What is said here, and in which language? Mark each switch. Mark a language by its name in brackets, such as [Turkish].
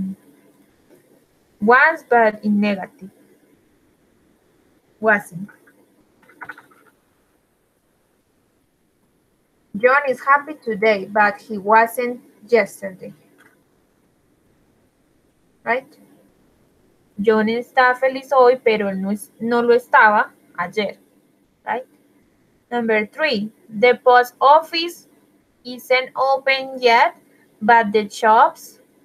[English] Okay, was but in negative, wasn't. John is happy today, but he wasn't yesterday. Right? [Spanish] John está feliz hoy, pero no lo estaba ayer. [English] Right? Number three, the post office isn't open yet. But the shops.